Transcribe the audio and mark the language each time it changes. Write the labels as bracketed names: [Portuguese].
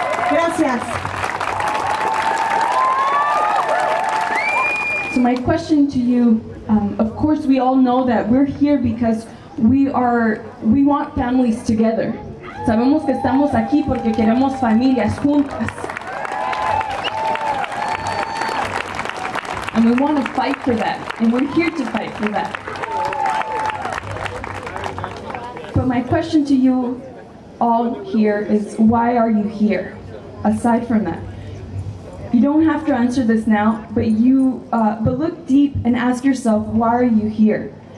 [Spanish] Gracias. [English] So my question to you, of course we all know that we're here because we want families together. [Spanish] Sabemos que estamos aquí porque queremos familias juntas. [English] And we want to fight for that, and we're here to fight for that. My question to you all here is, why are you here? Aside from that, you don't have to answer this now, but look deep and ask yourself, why are you here?